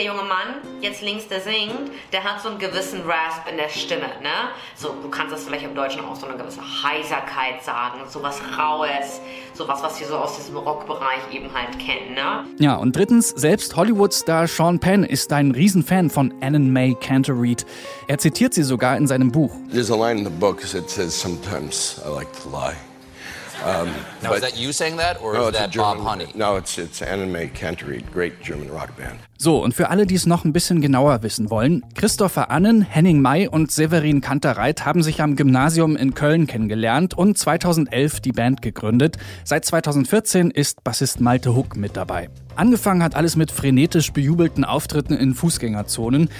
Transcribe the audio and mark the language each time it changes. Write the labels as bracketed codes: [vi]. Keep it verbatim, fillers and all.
[de] Der junge Mann, jetzt links, der singt, der hat so einen gewissen Rasp in der Stimme, ne? So, du kannst das vielleicht im Deutschen auch so eine gewisse Heiserkeit sagen, so was Raues, so was, was wir so aus diesem Rockbereich eben halt kennen, ne? Ja, und drittens, selbst Hollywood-Star Sean Penn ist ein Riesenfan von Annenmay Kantereit. Er zitiert sie sogar in seinem Buch. [en] There's a line in the book that says, sometimes I like to lie. Um, now, is that you saying that, or no, is that German, Bob Honey? No, it's, it's Annenmay Kantereit, great German rock band. [de] So, und für alle, die es noch ein bisschen genauer wissen wollen, Christopher Annen, Henning May und Severin Kantereit haben sich am Gymnasium in Köln kennengelernt und zweitausendelf die Band gegründet. Seit zweitausendvierzehn ist Bassist Malte Huck mit dabei. Angefangen hat alles mit frenetisch bejubelten Auftritten in Fußgängerzonen.